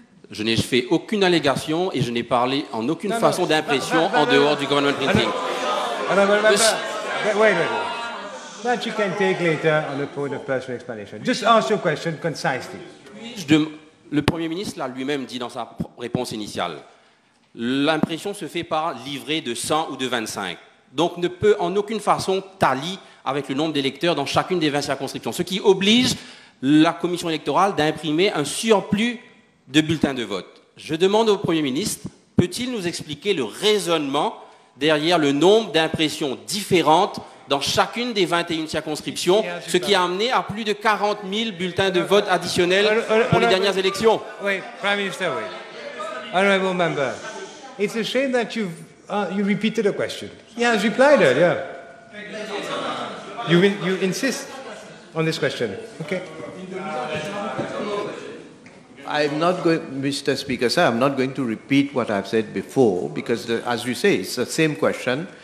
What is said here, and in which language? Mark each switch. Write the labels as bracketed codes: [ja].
[fr] Je n'ai fait aucune allégation et je n'ai parlé en aucune façon d'impression en dehors du [en] government printing. Wait. That you can take later on the point of personal explanation. Just ask your question concisely. [fr] Le Premier ministre l'a lui-même dit dans sa réponse initiale. L'impression se fait par livrée de 100 ou de 25. Donc ne peut en aucune façon tallier avec le nombre d'électeurs dans chacune des 20 circonscriptions. Ce qui oblige la commission électorale d'imprimer un surplus de bulletins de vote. Je demande au Premier ministre, peut-il nous expliquer le raisonnement derrière le nombre d'impressions différentes dans chacune des 21 circonscriptions, ce qui a amené à plus de 40 000 bulletins de vote additionnels pour les dernières élections. Oui, Prime Minister, oui. [en] Honorable Member, it's a shame that you repeated a question. He has replied earlier. You insist on this question. Okay. I'm not going to repeat what I've said before, because as you say, it's the same question.